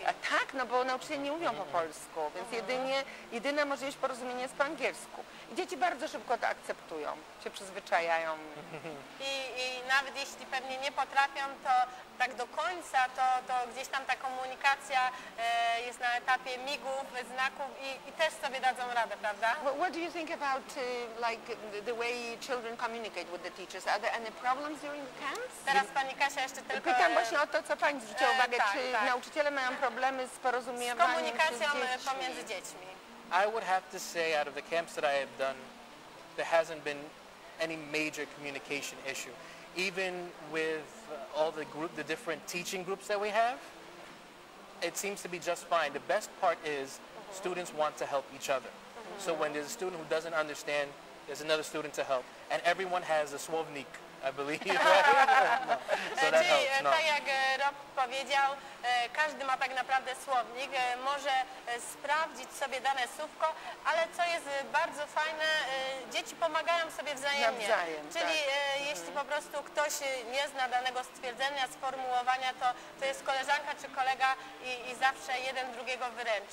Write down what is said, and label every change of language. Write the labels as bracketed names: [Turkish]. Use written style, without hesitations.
[Polish] Tak, no bo nauczyciele nie mówią po polsku, więc jedyna możliwość porozumienia jest po angielsku. I dzieci bardzo szybko to akceptują, się przyzwyczajają. I nawet jeśli pewnie nie potrafią, to tak do końca, to gdzieś tam ta komunikacja jest na etapie migów, znaków i też sobie dadzą radę, prawda? [English] Well, what do you think about like the way children communicate with the teachers? Are there any problems during the camps? [Polish] Teraz pani Kasia jeszcze tylko... Pytam właśnie o to, co pani zwróciła uwagę, tak, czy tak. Nauczyciele mają problemy z porozumiewaniem z komunikacją pomiędzy dziećmi. [English] I would have to say, out of the camps that I have done, there hasn't been any major communication issue. Even with all the group, the different teaching groups that we have, it seems to be just fine. The best part is students want to help each other. So when there's a student who doesn't understand, there's another student to help. And everyone has a słownik I believe, right? [Polish] No. So czyli helps, no. Tak jak Rob powiedział, każdy ma tak naprawdę słownik, może sprawdzić sobie dane słówko, ale co jest bardzo fajne, dzieci pomagają sobie wzajemnie. Nawzajem, czyli tak. Jeśli po prostu ktoś nie zna danego stwierdzenia, sformułowania, to jest koleżanka czy kolega i zawsze jeden drugiego wyręczy.